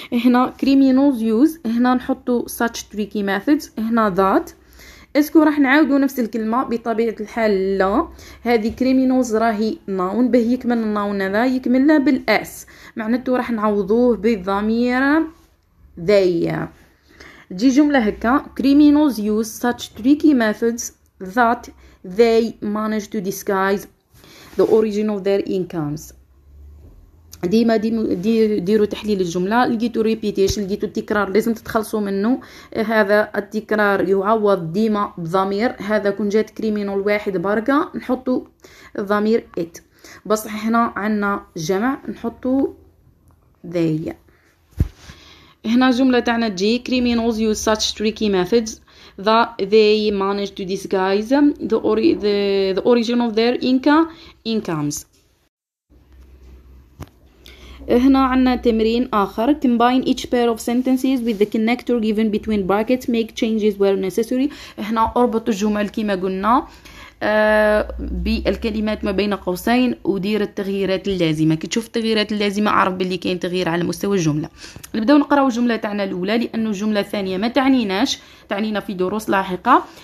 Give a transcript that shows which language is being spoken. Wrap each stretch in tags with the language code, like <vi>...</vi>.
<ar>هنا</ar> <en>criminals use،</en> <ar>هنا نحطو</ar> <en>such tricky methods،</en> <ar>هنا</ar> <en>that.</en> <ar>اسكو راح نعاودو نفس الكلمة؟ بطبيعة الحال لا، هذه criminals راهي noun، به يكمل الناون هذا يكملها بالاس، معناته راح نعوضوه بالضمير they. جي جملة هكا،</ar> <en>criminals use such tricky methods that they manage to disguise the origin of their incomes.</en> <ar>ديما ديروا تحليل الجملة، لقيتوا ريبيتيشن، لقيتوا التكرار لازم تتخلصوا منه. هذا التكرار يعوض ديما بضمير، هذا كون جات كريمينال واحد بركة نحطوا ضمير it، بس هنا عنا جمع نحطوا they. هنا جملة تاعنا تجي</ar> <en>criminals use such tricky methods that they manage to disguise the origin of their incomes.</en> <ar>هنا عنا تمرين آخر.</ar> <en>combine each pair of sentences with the connector given between brackets. make changes where necessary.</en> <ar>هنا اربط الجمل كما قلنا بالكلمات ما بين قوسين ودير التغييرات اللازمة. كي تشوف التغييرات اللازمة عرف باللي كاين تغيير على مستوى الجملة. نبداو نقراو الجملة تاعنا الأولى لأنه الجملة الثانية ما تعنيناش، تعنينا في دروس لاحقة.</ar>